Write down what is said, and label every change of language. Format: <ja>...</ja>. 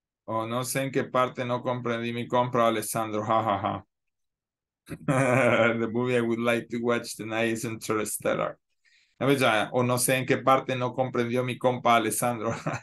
<es>Oh, no sé en qué parte no comprendí mi compra, Alessandro. Ja, ja, ja.</es> <en>The movie I would like to watch tonight is Interstellar.</en> <es>O no sé en qué parte no comprendió mi compa Alessandro.</es>